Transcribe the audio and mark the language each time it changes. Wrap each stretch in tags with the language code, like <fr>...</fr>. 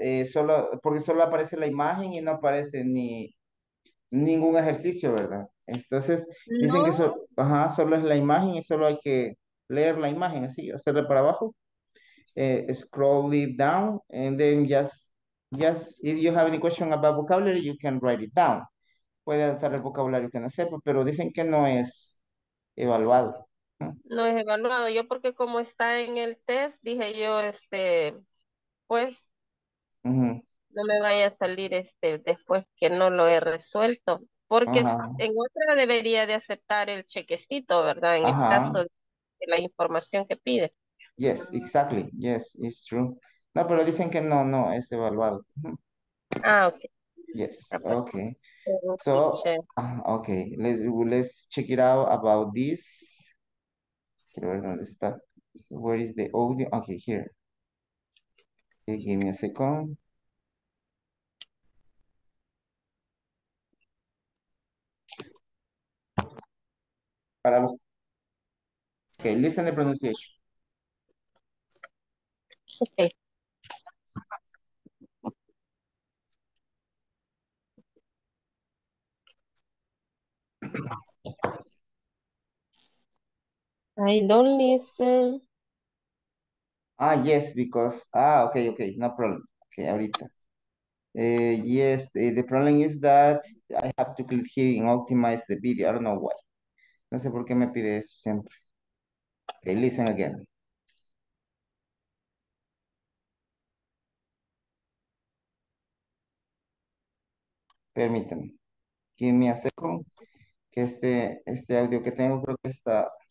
<es>Solo, porque solo aparece la imagen y no aparece ni ningún ejercicio, ¿verdad? Entonces, dicen que No. solo es la imagen y solo hay que leer la imagen, así, hacerle para abajo.</es> <en>Scroll it down, and then just, if you have any question about vocabulary, you can write it down.</en> <es>Puede usar el vocabulario que no sepa, pero dicen que no es evaluado. No es evaluado. Yo porque como está en el test, dije yo, pues no me vaya a salir después que no lo he resuelto. Porque en otra debería de aceptar el chequecito, ¿verdad? En el caso de la información que pide.</es> <en>Yes, exactly. Yes, it's true.</en> <es>No, pero dicen que no, no es evaluado. Ah,</es> <en>Yes, ok. okay.</en> <es>Escuché.</es> <en>So, okay, let's check it out about this.</en> <es>Quiero ver dónde está.</es> <en>Where is the audio? Okay, here. Okay, give me a second.</en> <es>Para vos.</es> <en>Okay, listen the pronunciation. Okay. Don't listen. Ah, yes, because, okay, no problem. Okay, ahorita. Yes, the problem is that I have to click here and optimize the video. I don't know why.</en> <es>No sé por qué me pide eso siempre.</es> <en>Okay, listen again.</en> <es>Permítanme.</es> <en>Give me a second.</en> <es>Que este audio que tengo creo que está.</es>